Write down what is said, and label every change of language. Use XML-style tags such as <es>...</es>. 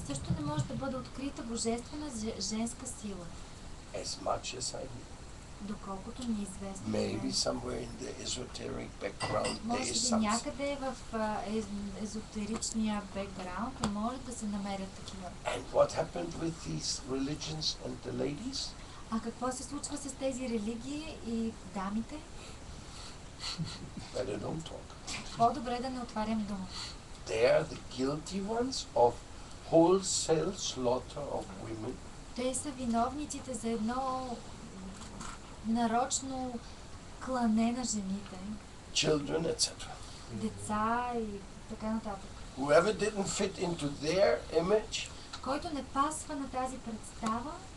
<bg>Също не може да бъде открита божествена женска сила.</bg> <en>As much as I know.</en> <bg>Доколкото ни е известно.</bg> <en>Maybe somewhere in the esoteric background there is something.</en> <bg>Може някъде в езотеричния бекграунд може да се намерят такива.</bg> <en>And what happened with these religions and the ladies?</en> <bg>А какво се случва с тези религии и дамите?</bg> <en>Better don't talk.</en> <bg>По-добре да не отварям дума.</bg> <en>They are the guilty ones of wholesale slaughter of women.</en> <bg>Те са виновниците за едно нарочно клане на жените.</bg> <en>Children, etc.</en> <bg>Деца и така нататък.</bg> <en>Whoever didn't fit into their image,</en> <bg>който не пасва на тази представа,</bg>